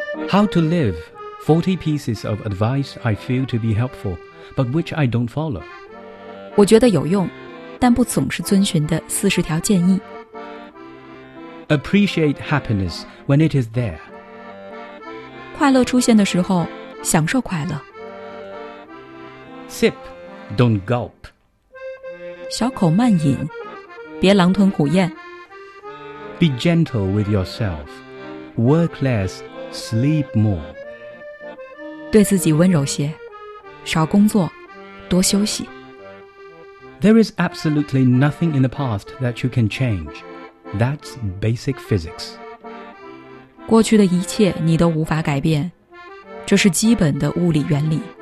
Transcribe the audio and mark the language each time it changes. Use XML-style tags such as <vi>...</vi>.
<en>How to live, 40 pieces of advice I feel to be helpful, but which I don't follow.</en> <zh>我觉得有用，但不总是遵循的四十条建议。</zh> <en>Appreciate happiness when it is there.</en> <zh>快乐出现的时候，享受快乐。</zh> <en>Sip, don't gulp.</en> <zh>小口慢饮，别狼吞虎咽。</zh> <en>Be gentle with yourself. Work less. Sleep more.</en> <zh>对自己温柔些，少工作，多休息。</zh> <en>There is absolutely nothing in the past that you can change. That's basic physics.</en> <zh>过去的一切你都无法改变，这是基本的物理原理。</zh>